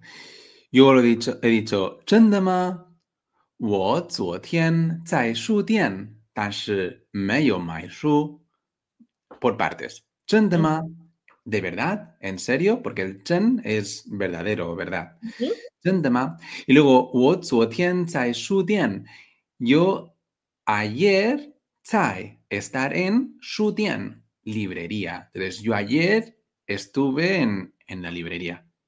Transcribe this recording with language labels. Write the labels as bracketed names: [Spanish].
[Spanish] Yo lo he dicho, [Chinese] ¿真的吗? 我昨天在书店,但是没有买书. [Spanish] Por partes. [Chinese] ¿真的吗? [Spanish] ¿De verdad? ¿En serio? Porque el chen es verdadero, ¿verdad? [Chinese] ¿真的吗? [Spanish] Y luego, [Chinese] 我昨天在书店. [Spanish] Yo ayer [Chinese] 在 [Spanish] estar en Shutian librería. Entonces, yo ayer estuve en la librería.